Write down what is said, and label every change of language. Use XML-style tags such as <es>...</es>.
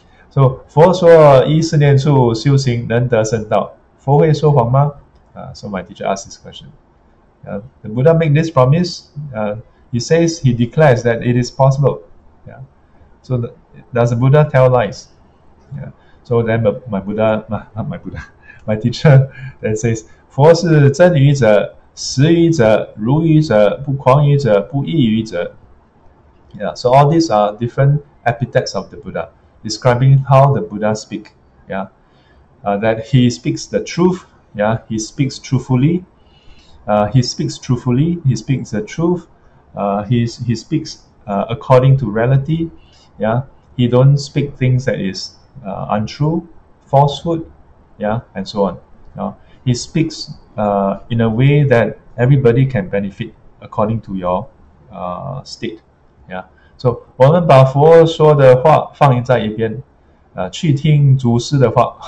<zh>So, 佛说一四念处修行能得圣道, 佛会说谎吗?</zh> <en>So my teacher asked this question. The Buddha make this promise. He says, he declares that it is possible. Yeah. So, does the Buddha tell lies? Yeah. So then my teacher then says,</en> <zh>佛是真语者, 实语者, 如语者, 不狂语者, 不异语者.</zh> <en>Yeah, so all these are different epithets of the Buddha, describing how the Buddha speak. Yeah, that he speaks the truth. Yeah, he speaks truthfully. He speaks truthfully. He speaks the truth. He speaks according to reality. Yeah, he don't speak things that is untrue, falsehood, yeah, and so on. Yeah. He speaks in a way that everybody can benefit according to your state. Yeah.</en> <zh>So, 我们把佛说的话放在一边, 去听祖师的话.</zh>